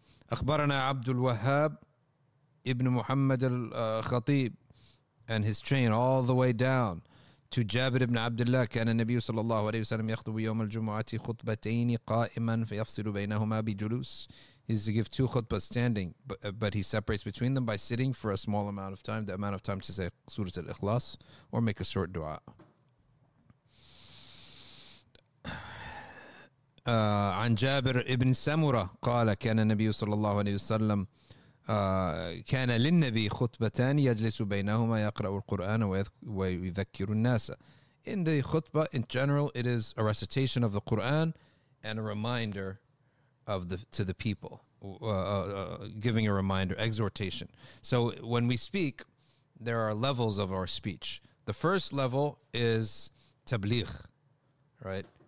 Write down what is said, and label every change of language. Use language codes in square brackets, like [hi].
[ar] أخبرنا عبد الوهاب ابن محمد الخطيب [en] and his train all the way down to Jabir ibn Abdullah. [ar] كان النبي صلى الله عليه وسلم يخطب يوم الجمعة خطبتين قائما فيفصل بينهما بجلوس. [en] He used to give two khutbahs standing, but he separates between them by sitting for a small amount of time, the amount of time to say Surah Al-Ikhlas or make a short dua. [ar] عن جابر ابن سمرة قال كان النبي صلى الله عليه وسلم كان للنبي خطبتان يجلس بينهما يقرأ القرآن ويذكر الناس. [en] In the khutbah, in general, it is a recitation of the Quran and a reminder of the to the people, giving a reminder, exhortation. So when we speak, there are levels of our speech. The first level is tabligh, right?